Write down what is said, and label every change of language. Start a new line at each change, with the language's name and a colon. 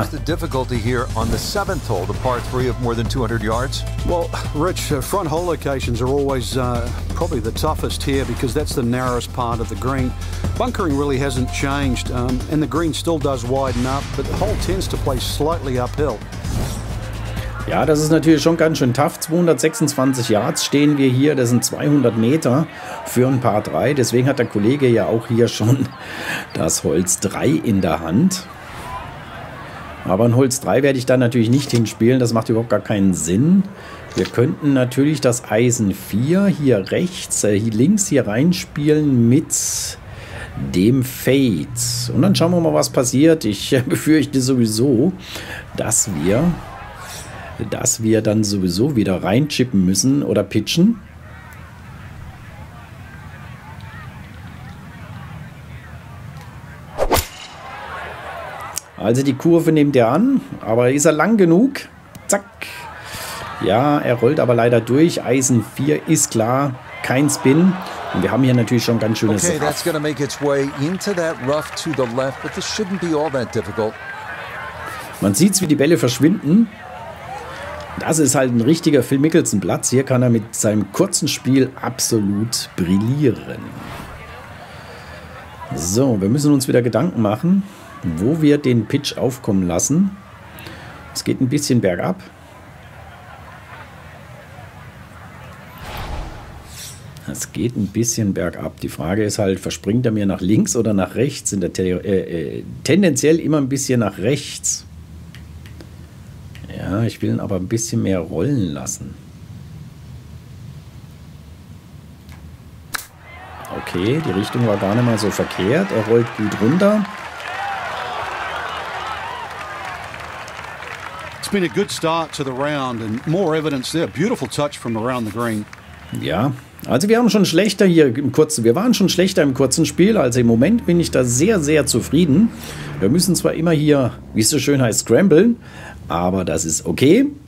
English: What's the difficulty here on the seventh hole, the par three of more than 200 yards? Well, Rich, front hole locations are always probably the toughest here because that's the narrowest part of the green. Bunkering really hasn't changed, and the green still does widen up, but the hole tends to play slightly uphill.
German: Ja, das ist natürlich schon ganz schön tough. 226 Yards stehen wir hier. Das sind 200 Meter für ein paar drei. Deswegen hat der Kollege ja auch hier schon das Holz 3 in der Hand. Aber ein Holz 3 werde ich da natürlich nicht hinspielen. Das macht überhaupt gar keinen Sinn. Wir könnten natürlich das Eisen 4 hier rechts, hier links hier reinspielen mit dem Fade. Und dann schauen wir mal, was passiert. Ich befürchte sowieso, dass wir dann sowieso wieder reinchippen müssen oder pitchen. Also die Kurve nimmt er an, aber ist er lang genug? Zack. Ja, er rollt aber leider durch. Eisen 4 ist klar, kein Spin. Und wir haben hier natürlich schon ganz schönes
English: Okay, that's going to make its way into that rough to the left, but this shouldn't be all that difficult.
German: Man sieht's, wie die Bälle verschwinden. Das ist halt ein richtiger Phil Mickelson-Platz. Hier kann er mit seinem kurzen Spiel absolut brillieren. So, wir müssen uns wieder Gedanken machen, wo wir den Pitch aufkommen lassen. Es geht ein bisschen bergab. Es geht ein bisschen bergab. Die Frage ist halt, verspringt er mir nach links oder nach rechts? Sind er tendenziell immer ein bisschen nach rechts? Ja, ich will ihn aber ein bisschen mehr rollen lassen. Okay, die Richtung war gar nicht mal so verkehrt. Er rollt gut runter.
English: It's been a good start to the round and more evidence there. Beautiful touch from around the green.
German: Ja, also wir haben schon schlechter hier im kurzen. Wir waren schon schlechter im kurzen Spiel. Also im Moment bin ich da sehr, sehr zufrieden. Wir müssen zwar immer hier, wie es so schön heißt, scramblen, aber das ist okay.